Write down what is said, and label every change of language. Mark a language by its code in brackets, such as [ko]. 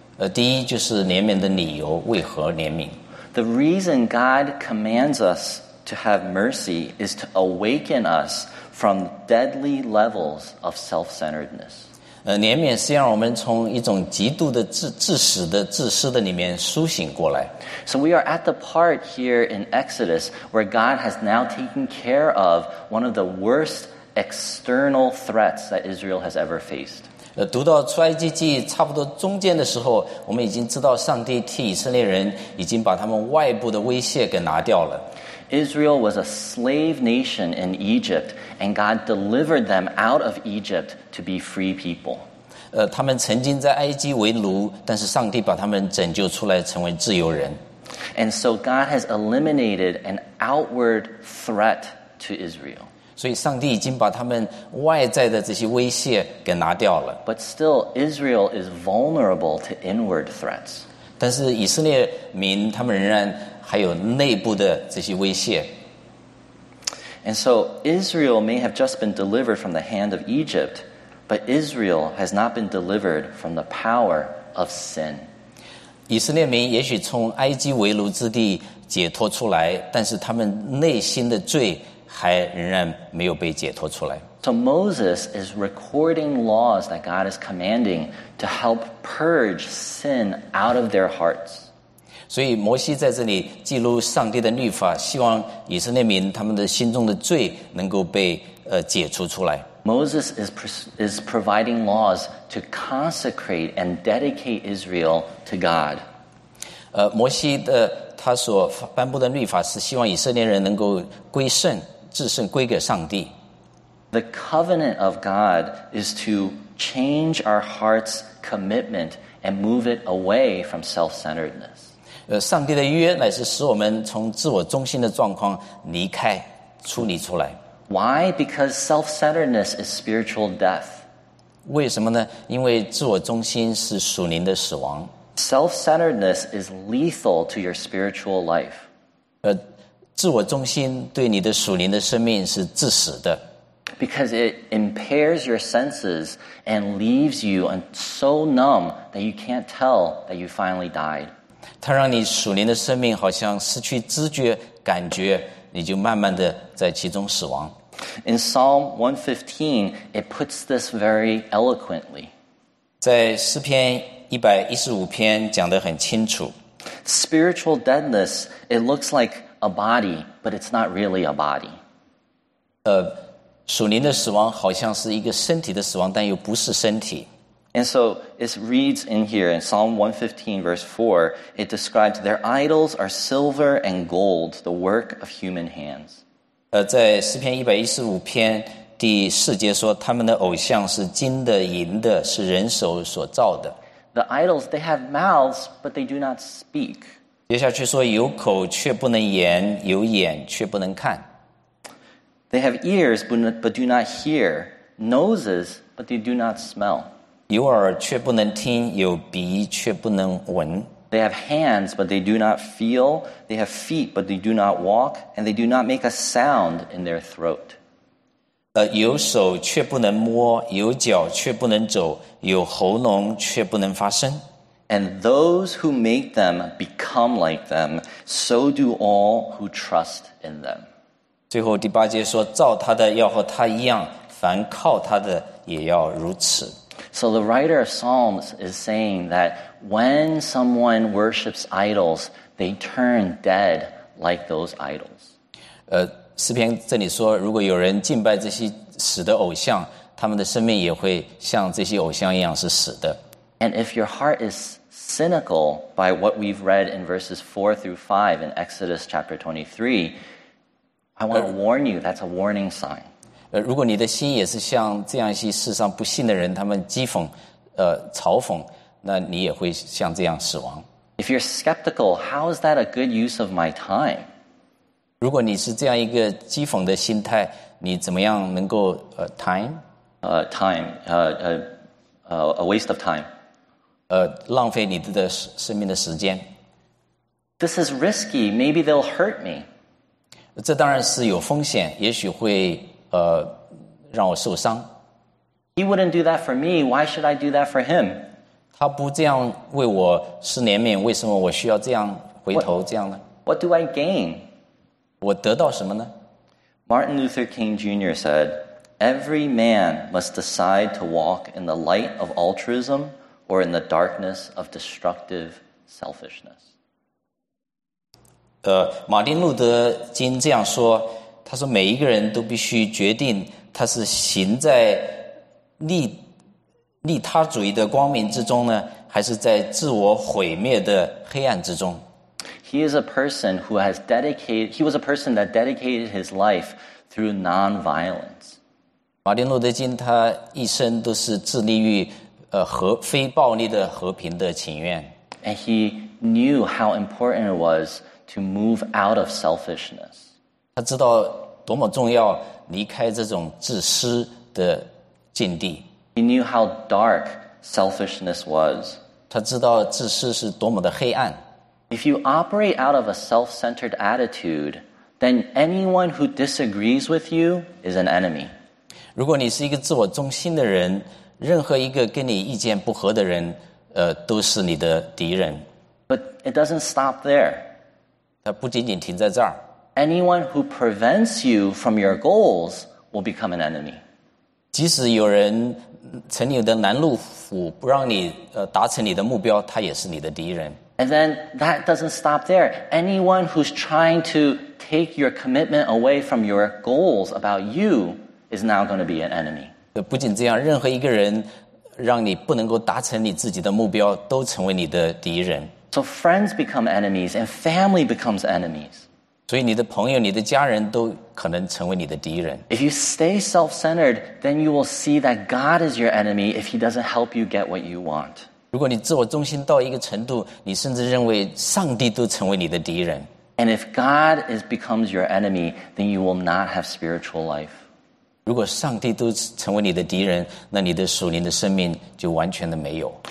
[zh] 第一就是怜悯的理由，为何怜悯？ [en] The reason God commands us to have mercy is to awaken us from deadly levels of self-centeredness. [zh] 怜悯是让我们从一种极度的自私的里面苏醒过来。 [en] So we are at the part here in Exodus where God has now taken care of one of the worst external threats that Israel has ever faced. [zh] 读到出埃及记差不多中间的时候，我们已经知道上帝替以色列人已经把他们外部的威胁给拿掉了。 [en] Israel was a slave nation in Egypt, and God delivered them out of Egypt to be free people. [zh] 他们曾经在埃及为奴，但是上帝把他们拯救出来，成为自由人。 [en] And so God has eliminated an outward threat to Israel. [zh] 所以上帝已经把他们外在的这些威胁给拿掉了。 [en] But still, Israel is vulnerable to inward threats. [zh] 但是以色列民他们仍然还有内部的这些威胁。 [en] And so Israel may have just been delivered from the hand of Egypt, but Israel has not been delivered from the power of sin. [zh] 以色列民也许从埃及为奴之地解脱出来，但是他们内心的罪还仍然没有被解脱出来。 [en] So Moses is recording laws that God is commanding to help purge sin out of their hearts. [zh] 所以摩西在这里记录上帝的律法，希望以色列民他们的心中的罪能够被解除出来。 [en] Moses is providing laws to consecrate and dedicate Israel to God. [zh] 摩西的他所颁布的律法是希望以色列人能够归圣，至圣归给上帝。 [en] The covenant of God is to change our heart's commitment and move it away from self-centeredness. [zh] 上帝的约乃是使我们从自我中心的状况离开，出离出来。 [en] Why? Because self-centeredness is spiritual death. [zh] 为什么呢？因为自我中心是属灵的死亡。 [en] Self-centeredness is lethal to your spiritual life. [zh] 自我中心对你的属灵的生命是致死的。 [en] Because it impairs your senses and leaves you so numb that you can't tell that you finally died. [zh] 它让你属灵的生命好像失去知觉感觉，你就慢慢的在其中死亡。 [en] In Psalm 115, it puts this very eloquently. [zh] 在诗篇115篇讲得很清楚。 [en] Spiritual deadness, it looks like a body, but it's not really a body. [zh] 属灵的死亡好像是一个身体的死亡，但又不是身体。 [en] And so it reads in here in Psalm 115 verse 4, it describes their idols are silver and gold, the work of human hands. [zh] 在诗篇115篇第四节说，他们的偶像是金的银的，是人手所造的。 [en] The idols, they have mouths, but they do not speak. [zh] 接下去说，有口却不能言，有眼却不能看。 [en] They have ears, but do not hear, noses, but they do not smell. [zh] 有耳却不能听，有鼻却不能闻。 [en] They have hands, but they do not feel, they have feet, but they do not walk, and they do not make a sound in their throat. [zh] 有手却不能摸，有脚却不能走，有喉咙却不能发声。 [en] And those who make them become like them, so do all who trust in them. [zh] 最后第八节说，造他的要和他一样，凡靠他的也要如此。 [en] So the writer of Psalms is saying that when someone worships idols, they turn dead like those idols. [zh] 诗篇这里说，如果有人敬拜这些死的偶像，他们的生命也会像这些偶像一样是死的。 [en] And if your heart is cynical by what we've read in verses 4 through 5 in Exodus chapter 23, I want to warn you, that's a warning sign. [zh] 如果你的心也是像这样一些世上不信的人，他们讥讽、嘲讽，那你也会像这样死亡。 [en] If you're skeptical, how is that a good use of my time? [zh] 如果你是这样一个讥讽的心态，你怎么样能够 [en] a waste of time. [zh] 浪费你的生命的时间。 [en] This is risky. Maybe they'll hurt me. [zh] 这当然是有风险，也许会让我受伤。 [en] He wouldn't do that for me. Why should I do that for him? [zh] 他不这样为我施怜悯，为什么我需要这样回头这样呢？ [en] What do I gain? [zh] 我得到什么呢？ [en] Martin Luther King Jr. said, "Every man must decide to walk in the light of altruism or in the darkness of destructive selfishness." [zh] 马丁路德金这样说，他说每一个人都必须决定他是行在利他主义的光明之中呢，还是在自我毁灭的黑暗之中。 [en] He is a person who has dedicated. He was a person that dedicated his life through nonviolence. [zh] 马丁路德金他一生都是致力于非暴力的和平的请愿。 [en] And he knew how important it was to move out of selfishness. [zh] 他知道多么重要离开这种自私的境地。 [en] He knew how dark selfishness was. [zh] 他知道自私是多么的黑暗。 [en] If you operate out of a self-centered attitude, then anyone who disagrees with you is an enemy. [zh] 如果你是一个自我中心的人，任何一个跟你意见不合的人，都是你的敌人。 [en] But it doesn't stop there. [zh] 它不仅仅停在这儿。 [en] Anyone who prevents you from your goals will become an enemy. [zh] 即使有人成你的拦路虎，不让你达成你的目标，他也是你的敌人。 [en] And then that doesn't stop there. Anyone who's trying to take your commitment away from your goals about you is now going to be an enemy. [zh] 不仅这样，任何一个人让你不能够达成你自己的目标，都成为你的敌人。 [en] So friends become enemies and family becomes enemies. [zh] 所以你的朋友、你的家人都可能成为你的敌人。 [en] If you stay self-centered, then you will see that God is your enemy if he doesn't help you get what you want. [zh] 如果你自我中心到一个程度，你甚至认为上帝都成为你的敌人。 [en] And if God is becomes your enemy, then you will not have spiritual life. [zh] 如果上帝都成为你的敌人，那你的属灵的生命就完全的没有。